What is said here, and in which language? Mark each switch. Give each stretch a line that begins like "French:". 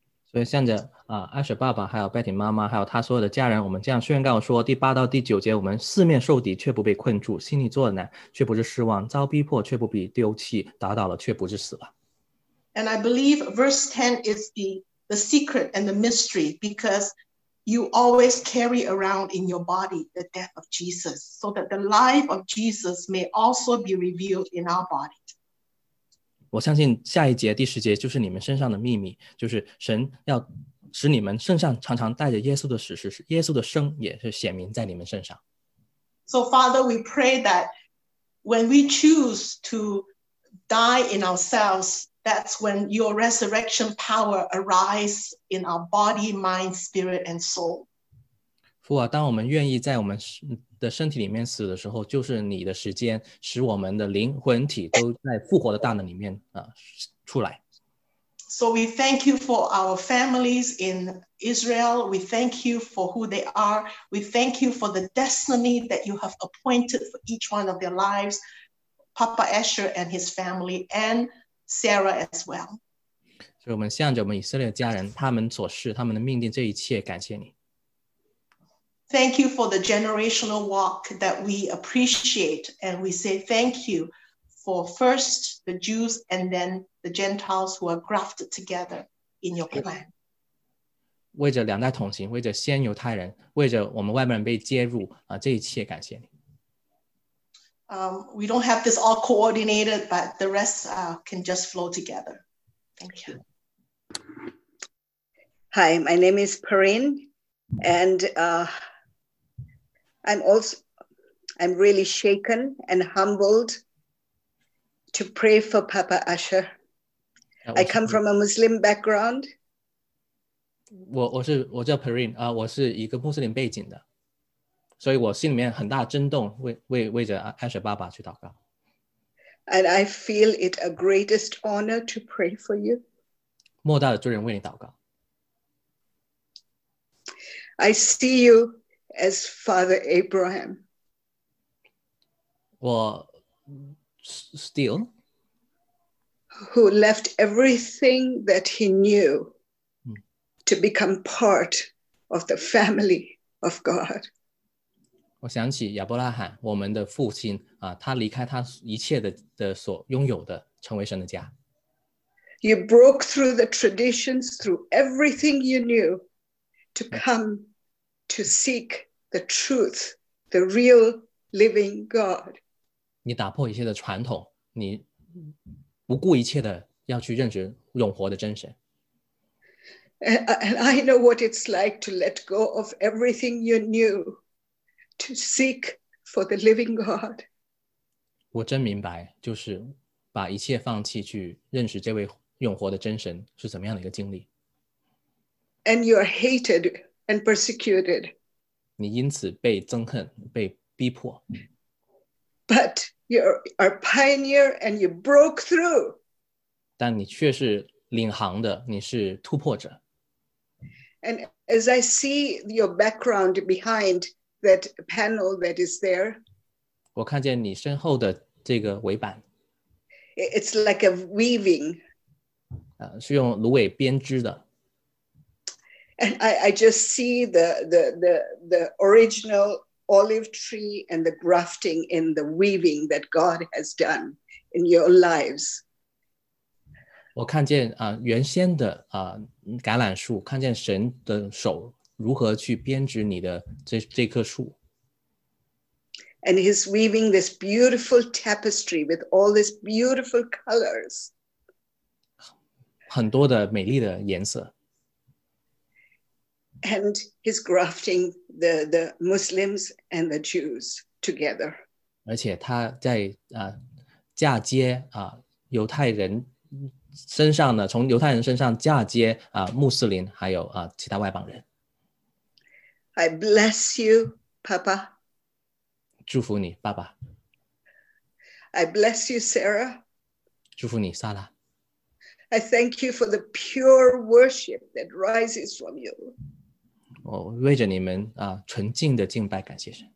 English: So,
Chinese: 向着阿雪爸爸还有 Betty 妈妈还有他所有的家人，我们这样宣告说，第八到第九节，我们四面受敌却不被困住，心里作难却不是失望，遭逼迫却不被丢弃，打倒了却不是死亡。
English: And I believe verse 10 is the secret and the mystery, because you always carry around in your body the death of Jesus, so that the life of Jesus may also be revealed in our body.
Chinese: 我相信下一节第十节就是你们身上的秘密，就是神要使你们身上常常带着耶稣的使是耶稣的生也是显明在你们身上。
English: So Father, we pray that when we choose to die in ourselves, that's when your resurrection power arises in our body, mind, spirit and soul.
Chinese: 父啊，当我们愿意在我们的身体里面死的时候，就是你的时间使我们的灵魂体都在复活的大能里面、出来。
English: So we thank you for our families in Israel. We thank you for who they are. We thank you for the destiny that you have appointed for each one of their lives, Papa Asher and his family, and Sarah as well.
Chinese: 所以我们向着我们以色列家人，他们所事，他们的命定，这一切感谢你。
English: Thank you for the generational walk that we appreciate, and we say thank you for first the Jews and then the Gentiles who are grafted together in your plan.
Chinese: 为着两代同行，为着先犹太人，为着我们外面被接入、这一切感谢你。
English: We don't have this all coordinated, but the rest can just flow together. Thank you. Hi, my name is Perrine, and I'm really shaken and humbled to pray for Papa Asher. I come from a Muslim background.
Chinese: 我叫 Perrine、我是一个穆斯林背景的，所以我心里面很大震动，为着 Asher 爸爸去祷告。
English: And I feel it a greatest honor to pray for you.
Chinese: 莫大的尊荣为你祷告。
English: I see you. As Father Abraham. Well, still. Who left everything that he knew to become part of the family of God.
Chinese: 我想起亚伯拉罕，我们的父亲，他离开他一切的所拥有的，成为神的家。
English: You broke through the traditions, through everything you knew, to come to seek. The truth, the real living God.
Chinese: 你打破一切的传统，你不顾一切的要去认识永活的真神。
English: And I know what it's like to let go of everything you knew to seek for the living God.
Chinese: 我真明白，就是把一切放弃去认识这位永活的真神是怎么样的一个经历。
English: And you are hated and persecuted.
Chinese: 你因此被憎恨，被逼迫。
English: But you are a pioneer and you broke through.
Chinese: 但你却是领航的，你是突破者。
English: And as I see your background behind that panel that is there,
Chinese: 我看见你身后的这个围板。
English: It's like a weaving.
Chinese: 是用芦苇编织的。
English: And I just see the original olive tree and the grafting in the weaving that God has done in your lives.
Chinese: 我看见原先的橄榄树，看见神的手如何去编织你的这棵树。
English: And he's weaving this beautiful tapestry with all these beautiful colors.
Chinese: 很多的美丽的颜色。
English: And he's grafting the Muslims and the Jews together.
Chinese: 而且他在嫁接犹太人身上呢，从犹太人身上嫁接穆斯林还有其他外邦人。
English: I bless you, Papa.
Chinese: 祝福你，爸爸。
English: I bless you, Sarah.
Chinese: 祝福你，萨拉。
English: I thank you for the pure worship that rises from you.
Chinese: 我为着你们纯净的敬拜感谢神。